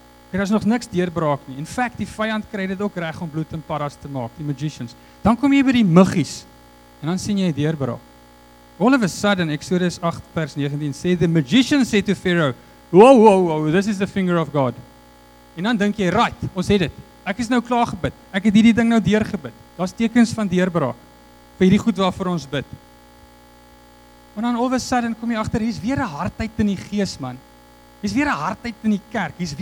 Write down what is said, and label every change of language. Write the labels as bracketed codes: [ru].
[af] Daar is nog niks deurbraak nie. [en] In fact, [af] die vyand kry dit ook reg om bloed en paddas te maak, die magicians. Dan kom jy by die muggies, en dan sien jy deurbraak. [en] All of a sudden, Exodus 8 [af] vers 19 sê, [en] the magician said to Pharaoh, Whoa, this is the finger of God. [af] En dan dink jy, right, ons het dit. Ek is nou klaar gebid. Ek het hierdie ding nou deurgebid. Daar's tekens van deurbraak vir hierdie goed waarvoor ons bid. Maar dan [en] all of a sudden [af] kom jy agter, hier's weer 'n hardheid in die gees, man. Hier's weer 'n hardheid in die kerk.